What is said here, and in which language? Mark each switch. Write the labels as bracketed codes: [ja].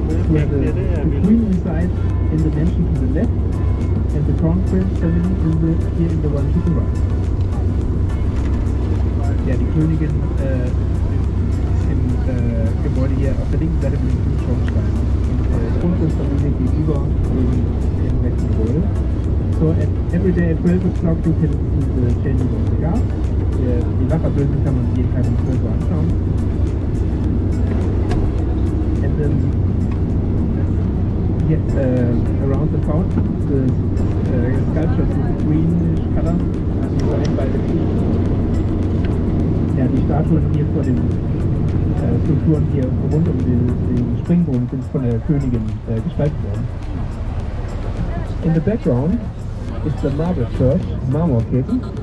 [en] Where the Queen resides in the mansion to the left. And the Crown Prince family is here in the one to the right. [de] Ja, die Königin ist im Gebäude hier auf der linken Seite mit dem Schornstein. Und die Kronprinzfamilie gegenüber im rechten Gebäude. [en] So, at every day at 12 o'clock you can see the changing of the guard. [de] Die Wachablösen kann man jeden Tag um 12 Uhr anschauen. [en] And then, around the fountain, the sculptures with greenish color are designed by the people. [de] Ja, die Statuen hier vor den Skulpturen hier rund um den Springbrunnen sind von der Königin gestaltet worden. [en] In the background is the marble church, Marmorkirche.